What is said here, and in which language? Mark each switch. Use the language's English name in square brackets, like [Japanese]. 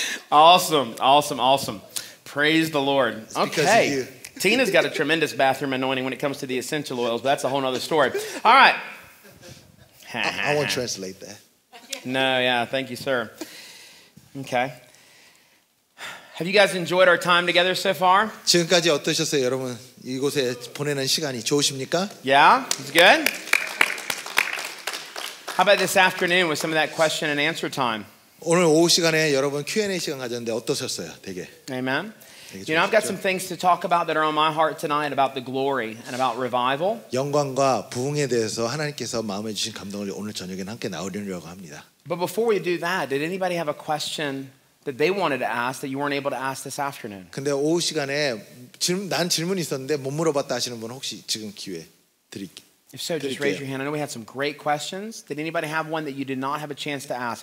[English] Awesome. Praise the Lord. Okay. Tina's got a tremendous bathroom anointing when it comes to the essential oils, but that's a whole other story. All right. I won't translate that. No, yeah. Thank you, sir. Okay. Have you guys enjoyed our time together so far? [Korean] 지금까지 어떠셨어요, 여러분? 이곳에 보내는 시간이 좋으십니까? [English] Yeah, it's good. How about this afternoon with some of that question and answer time? [Korean] 오늘 오후 시간에 여러분 Q&A 시간 가졌는데 어떠셨어요? 되게. [English] Amen. [Korean] 되게 [English] you know, I've got some things to talk about that are on my heart tonight about the glory and about revival. [Korean] 영광과 부흥에 대해서 하나님께서 마음에 주신 감동을 오늘 저녁에는 함께 나누려고 합니다. [English] But before we do that, did anybody have a question? That they wanted to ask that you weren't able to ask this afternoon. [Korean] 근데 오후 시간에 난 질문 있었는데 못 물어봤다 하시는 분 혹시 지금 기회 드릴게요. [English] If so, just raise your hand. I know we had some great questions. Did anybody have one that you did not have a chance to ask?